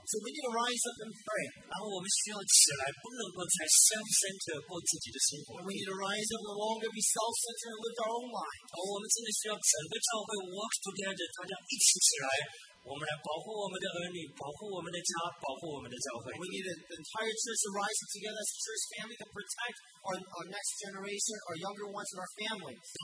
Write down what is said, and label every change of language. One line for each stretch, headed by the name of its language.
English: So we need to rise up and pray.
Chinese: 然后我们需要起来，不能够再self-centered过自己的生活。
English: And we need to rise up and no longer be self-centered and live our own lives.
Chinese: 而我们真的需要整个教会
English: work together，
Chinese: 大家一起起来。我们来保护我们的儿女，保护我们的家，保护我们的教会。
English: We need the entire church to rise together as a church family to protect our next generation, our younger ones, and our families.